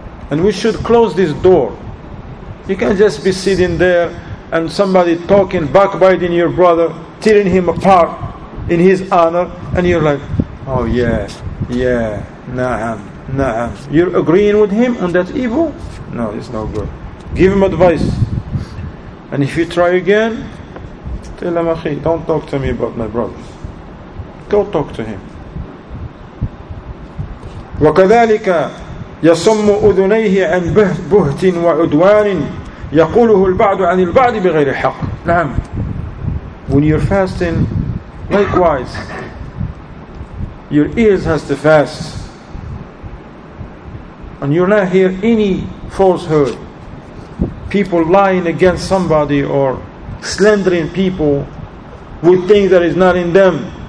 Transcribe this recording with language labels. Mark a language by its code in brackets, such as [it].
[en] And we should close this door. You can't just be sitting there and somebody talking, backbiting your brother, tearing him apart in his honor, and you're like, oh yeah, yeah, na'am. Nah, you're agreeing with him on that evil? No, it's no good. Give him advice. And if you try again, tell him, akhi, don't talk to me about my brothers. Go talk to him. [ar] وكذلك يصم أذنيه عن بهت وعدوان يقوله البعض عن البعض بغير حق. نعم. [en] When you're fasting, likewise, your ears has to fast. And you're not hear any falsehood. People lying against somebody or slandering people with things that is not in them.